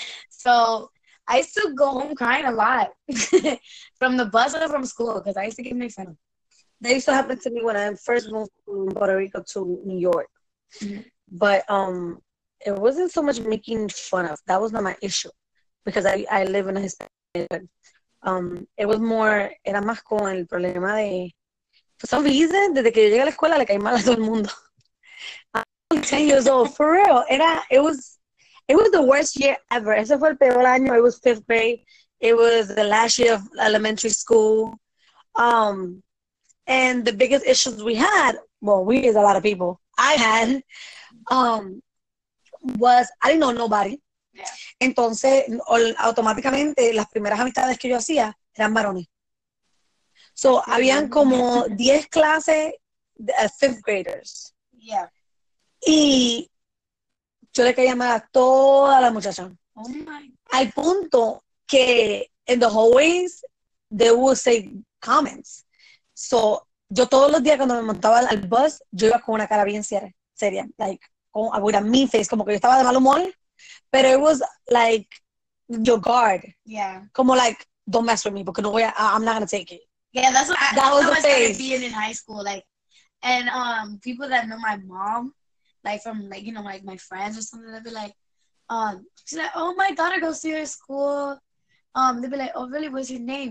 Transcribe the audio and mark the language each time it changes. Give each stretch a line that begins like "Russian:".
English: So I used to go home crying a lot from the bus or from school because I used to get made fun of. That used to happen to me when I first moved from Puerto Rico to New York. Mm-hmm. But it wasn't so much making fun of. That was not my issue because I live in a Hispanic neighborhood. It was more,
Spanish: era más con el problema de,
English: for some reason,
Spanish: desde que yo llegué a la escuela, le caí mal a todo el mundo.
English: I was 10 years old, for real. It was the worst year ever.
Spanish: Ese fue el peor año.
English: It was fifth grade. It was the last year of elementary school. And the biggest issues we had, well, we is a lot of people, I had, was I didn't know nobody. Yeah.
Spanish: Entonces, automáticamente, las primeras amistades que yo hacía eran varones. So, sí, habían como 10 clases de
English: fifth graders. Yeah.
Spanish: Y yo le quería llamar a toda la muchacha.
English: Oh, my.
Spanish: Al punto que
English: in the hallways, they would say comments.
Spanish: So, yo todos los días cuando me montaba al bus, yo iba con una cara bien seria. Like, con
English: a mean face,
Spanish: como que yo estaba de mal humor.
English: Pero it was like your guard. Yeah. Como like, don't mess with me because I'm not going to take it. Yeah, that's what that was the face. Being in high school. Like, and people that know my mom, like from like, you know, like my friends or something, they'd be like, she's like, oh, my daughter goes to your school. They'd be like, oh, really? What's your name?